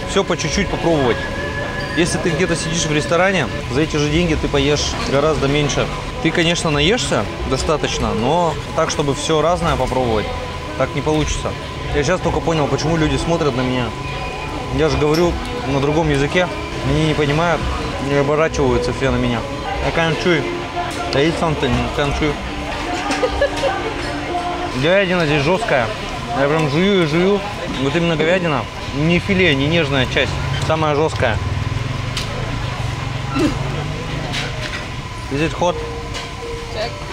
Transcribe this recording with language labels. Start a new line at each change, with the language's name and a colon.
Russian: Все по чуть-чуть попробовать. Если ты где-то сидишь в ресторане, за эти же деньги ты поешь гораздо меньше. Ты, конечно, наешься достаточно, но так, чтобы все разное попробовать, так не получится. Я сейчас только понял, почему люди смотрят на меня. Я же говорю на другом языке. Они не понимают, не оборачиваются все на меня.
English: I can't chew. I eat something, I can't chew.
Russian: Говядина здесь жесткая. Я прям жую и жую. Вот именно говядина. Не филе, не нежная часть. Самая жесткая.
English: Is it hot? Check.